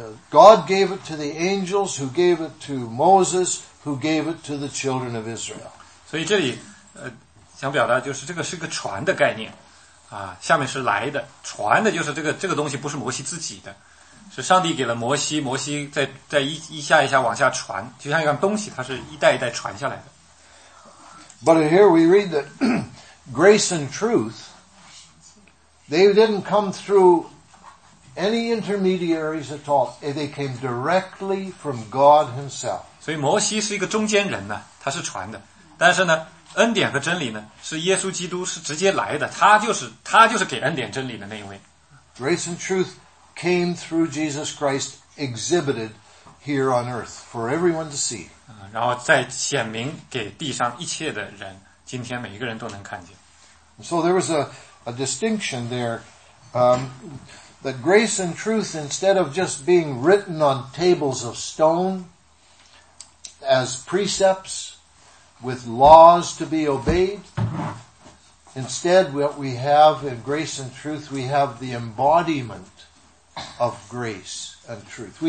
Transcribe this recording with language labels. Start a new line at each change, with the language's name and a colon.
English: God gave it to the angels, who gave it to Moses, who gave it to the children of Israel.
Chinese: 所以这里，想表达就是这个是个传的概念，啊，下面是来的，传的就是这个东西不是摩西自己的，是上帝给了摩西，摩西在一下一下往下传，就像一样东西，它是一代一代传下来的。
English: But here we read that grace and truth, they didn't come through any intermediaries at all. They came directly from God Himself.
Chinese: 所以摩西是一个中间人呢，他是传的，但是呢，恩典和真理呢，是耶稣基督是直接来的，他就是给恩典真理的那一位。
English: Grace and truth came through Jesus Christ, exhibited here on earth for everyone to see.
Chinese: 然后再显明给地上一切的人，今天每一个人都能看见。
English: So there was a distinction there, that grace and truth, instead of just being written on tables of stone as precepts with laws to be obeyed, instead what we have in grace and truth, we have the embodiment of grace and truth.